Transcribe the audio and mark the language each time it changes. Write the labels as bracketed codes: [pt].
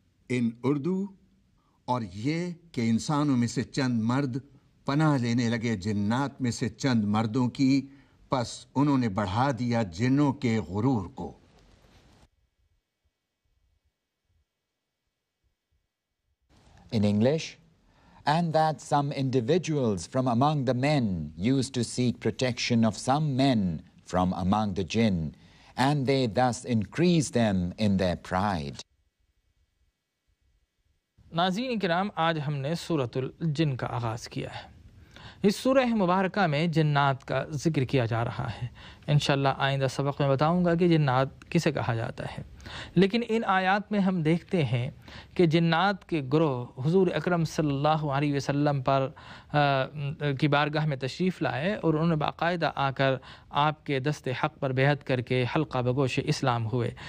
[en] ان اردو، [ur] اور یہ کہ انسانوں میں سے چند مرد پناہ لینے لگے جنات میں سے چند مردوں کی، پس انہوں نے بڑھا دیا جنوں کے غرور کو. [en] In English, and that some individuals from among the men used to seek protection of some men from among the jinn, and they thus increased them in their pride. [ur] ناظرین کرام، آج ہم نے سورۃ الجن کا آغاز کیا ہے. اس سورہ مبارکہ میں جنات کا ذکر کیا جا رہا ہے. انشاءاللہ آئندہ سبق میں بتاؤں گا کہ جنات کسے کہا جاتا ہے، لیکن ان آیات میں ہم دیکھتے ہیں کہ جنات کے گروہ حضور اکرم صلی اللہ علیہ وسلم پر کی بارگاہ میں تشریف لائے، اور انہوں نے باقاعدہ آ کر آپ کے دست حق پر بیعت کر کے حلقہ بگوش اسلام ہوئے.